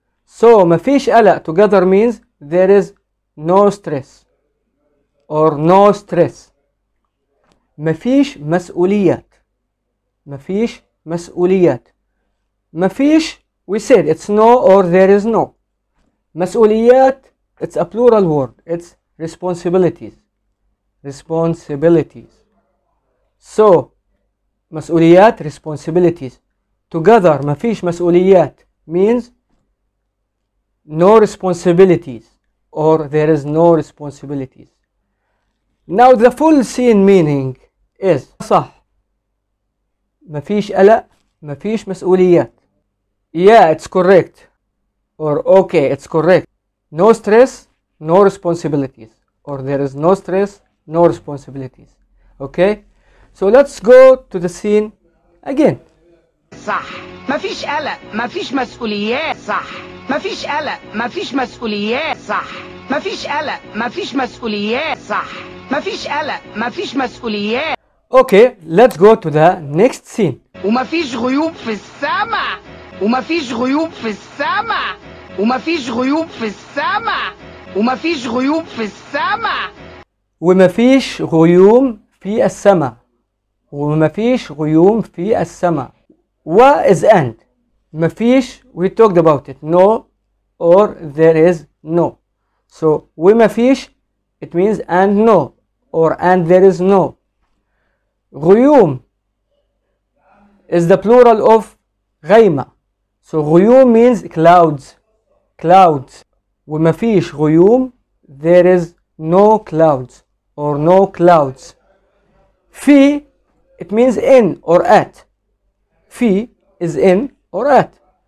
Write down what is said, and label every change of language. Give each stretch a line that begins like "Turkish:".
English: So
Arabic: مفيش قلق
English: together means there is no stress or no stress.
Arabic: مفيش مسؤوليات مفيش مسؤوليات مفيش
English: we said it's no or there is no.
Arabic: مسؤوليات
English: it's a plural word, it's responsibilities responsibilities. So
Arabic: مسؤوليات
English: responsibilities together
Arabic: مفيش مسؤوليات
English: means no responsibilities or there is no responsibilities. Now the full scene meaning is
Arabic: صح ما فيش قلق ما فيش مسؤوليات.
English: Yeah, it's correct or okay, it's correct. No stress, no responsibilities or there is no stress, no responsibilities. Okay, so let's go to the scene again.
Arabic: صح مفيش قلق مفيش مسؤوليات صح مفيش قلق مفيش مسؤوليات صح مفيش قلق مفيش مسؤوليات صح مفيش قلق مفيش مسؤوليات.
English: Okay let's go to the next scene.
Arabic: ومفيش غيوم في السما ومفيش غيوم في السما ومفيش غيوم في السما ومفيش غيوم في السما ومفيش غيوم في السما ومفيش غيوم في السما.
English: What is and?
Arabic: مفيش
English: we talked about it. No or there is no. So we
Arabic: مفيش
English: it means and no or and there is no.
Arabic: غيوم
English: is the plural of
Arabic: غيمة.
English: So
Arabic: غيوم
English: means clouds. Clouds.
Arabic: ومفيش غيوم
English: there is no clouds or no clouds. في it means in or at. في is in or at.